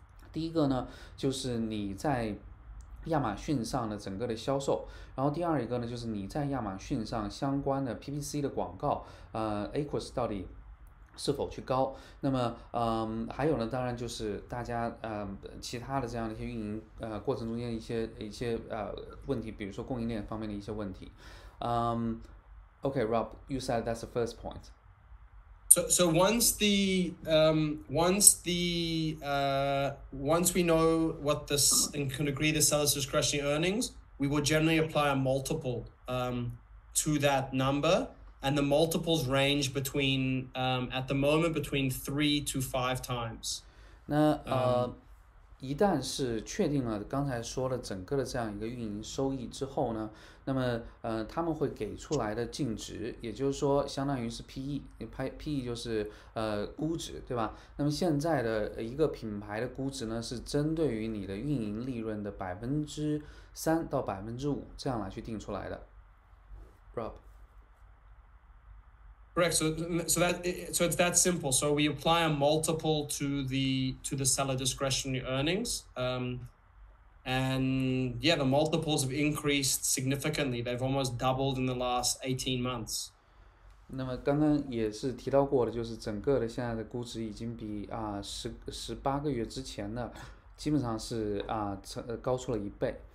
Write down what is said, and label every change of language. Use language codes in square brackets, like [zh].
[zh] 第一个呢，就是你在亚马逊上的整个的销售，然后第二一个呢，就是你在亚马逊上相关的 PPC 的广告AQUOS 到底是否去高。那么还有呢，当然就是大家其他的这样的一些运营过程中间一些问题，比如说供应链方面的一些问题。 [en] Okay, Rob, you said that's the first point. So once we know what this and can agree the seller's discretionary earnings, we will generally apply a multiple to that number, and the multiples range between at the moment between 3 to 5 times. [zh] 那一旦是确定了刚才说的整个的这样一个运营收益之后呢，那么他们会给出来的净值，也就是说相当于是 PE 就是估值，对吧？那么现在的一个品牌的估值呢，是针对于你的运营利润的3%-5%这样来去定出来的。 [en] Rob。 Correct. So it's that simple. So we apply a multiple to the seller discretionary earnings. The multiples have increased significantly. They've almost doubled in the last 18 months. [zh] 那么刚刚也是提到过的，就是整个的现在的估值已经比十八个月之前呢，基本上是高出了一倍。